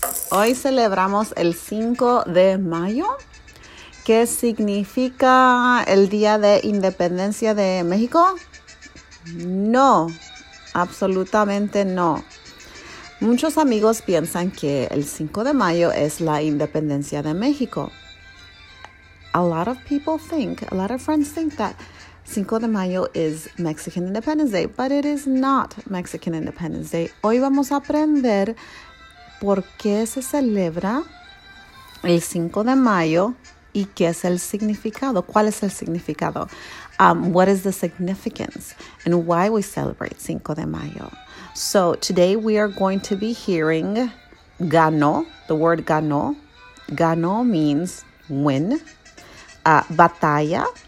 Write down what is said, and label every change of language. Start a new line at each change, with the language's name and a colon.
Spanish: Hoy celebramos el 5 de mayo, que significa el Día de Independencia de México. No, absolutamente no. Muchos amigos piensan que el 5 de mayo es la Independencia de México.
English: A lot of people think, a lot of friends think that Cinco de Mayo is Mexican Independence Day, but it is not Mexican Independence Day.
Spanish: Hoy vamos a aprender por qué se celebra el 5 de mayo y qué es el significado. ¿Cuál es el significado?
English: What is the significance and why we celebrate Cinco de Mayo? So today we are going to be hearing ganó, the word ganó. Ganó means win. Batalla.